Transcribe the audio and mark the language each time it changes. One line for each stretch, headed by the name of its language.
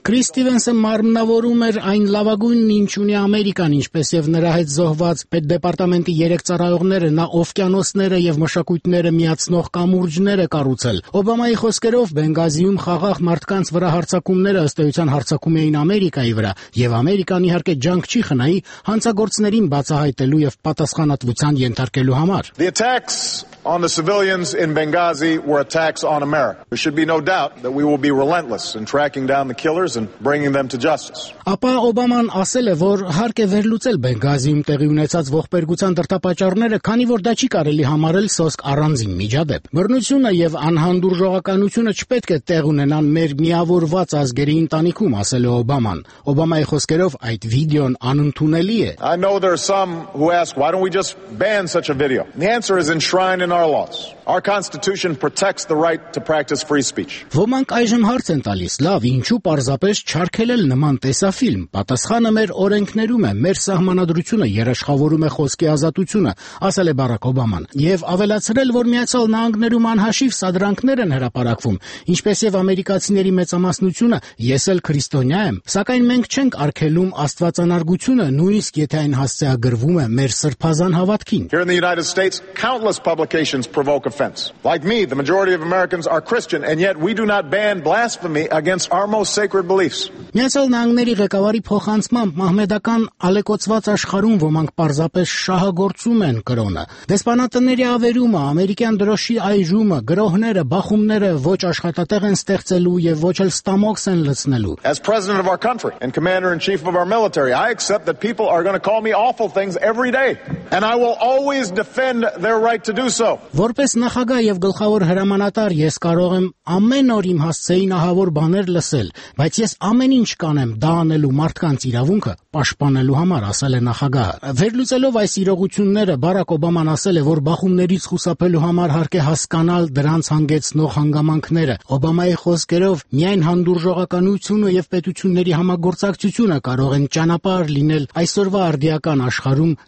Armenian: Քրիս Ստիվենսը մարմնավորում էր այն լավագույնն, ինչ ունի Ամերիկան, ինչպես եւ նրա հետ զոհված Պետդեպարտամենտի 3 ծառայողները, նա օվկիանոսները եւ մշակույտները միացնող կամուրջները կառուցել։ Օբամայի խոսքերով Բենգազիում խաղաղ մարդկանց վրա հարձակումները ըստ էության հարձակում էին Ամերիկայի վրա, եւ Ամերիկան իհարկե ջանք չի խնայի հանցագործներին բացահայտելու եւ պատասխանատվության ենթարկելու համար։
English: On the civilians in Benghazi were attacks on America. There should be no doubt that we will be relentless in tracking down the killers and bringing them to justice.
Armenian: Ապա Օբաման ասել է, որ հարկ է վերլուծել Բենգազիում տեղի ունեցած ողբերգության դրդապատճառները, քանի որ դա չի կարելի համարել սոսկ առանձին միջադեպ։ Բռնությունը եւ անհանդուրժողականությունը չպետք է տեղ ունենան մեր միավորված ազգերի ընտանիքում, ասել է Օբաման։ Օբամայի խոսքերով այդ վիդեոն անընդունելի է։
English: I know there are some who ask, why don't we just ban such a video? The answer is enshrined in our laws. Our constitution protects the right to practice free speech.
Armenian: Ոմանք այժմ հարց են տալիս, լավ, ինչու պարզապես չարգելել նման տեսաֆիլմ։ Պատասխանը մեր օրենքներում է, մեր սահմանադրությունը երաշխավորում է խոսքի ազատությունը, ասել է Բարակ Օբաման, եւ ավելացրել, որ Միացյալ Նահանգներում անհաշիվ սադրանքներ են հրապարակվում, ինչպես եւ ամերիկացիների մեծամասնությունը, ես էլ քրիստոնյա եմ, սակայն մենք չենք արգելում աստվածանարգությունը, նույնիսկ եթե այն հասցեագրվում է մեր սրբազան հավատքին։
English: Here in the United States, countless publications accusations provoke offense. Like me, the majority of Americans are Christian, and yet we do not ban blasphemy against our most sacred beliefs.
Armenian: Միացյալ Նահանգների ղեկավարի փոխանցմամբ մահմեդական ալեկոծված աշխարհում ոմանք պարզապես շահագործում են կրոնը։ Դեսպանատների ավերումը, ամերիկյան դրոշի այժումը, գրոհները, բախումները ոչ աշխատատեղ են ստեղծելու և ոչ էլ ստամոքս են լցնելու։
English: As president of our country and commander in chief of our military, I accept that people are going to call me awful things every day, and I will always defend their right to do so.
Armenian: Որպես նախագահ և գլխավոր հրամանատար ես կարող եմ ամեն օր իմ հասցեին ահավոր բաներ լսել, բայց ես ամեն ինչ կանեմ դա անելու մարդկանց իրավունքը պաշտպանելու համար, ասել է նախագահը։ Վերլուծելով այս իրողությունները, Բարակ Օբաման ասել է, որ բախումներից խուսափելու համար հարկ է հասկանալ դրանց հանգեցնող հանգամանքները։ Օբամայի խոսքերով, միայն հանդուրժողականությունը և պետությունների համագործակցությունը կարող են ճանապարհ լինել այսօրվա արդիական աշխարհում